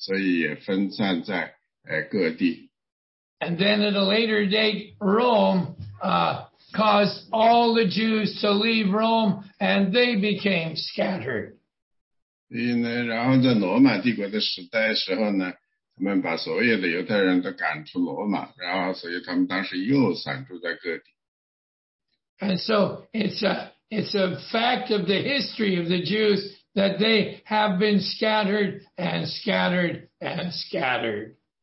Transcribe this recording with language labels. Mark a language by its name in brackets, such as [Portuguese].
[Chinese] 然后呢,在主耶稣基督复活以后呢,那些犹太人的基督徒呢,他们由于受到迫害,所以也分散在各地。 [English] And then at a later date, Rome caused all the Jews to leave Rome, and they became scattered. [Chinese] 所以呢,然后在罗马帝国的时代时候呢,他们把所有的犹太人都赶出罗马,然后所以他们当时又散住在各地。 [English] And so it's a fact of the history of the Jews that they have been scattered and scattered and scattered.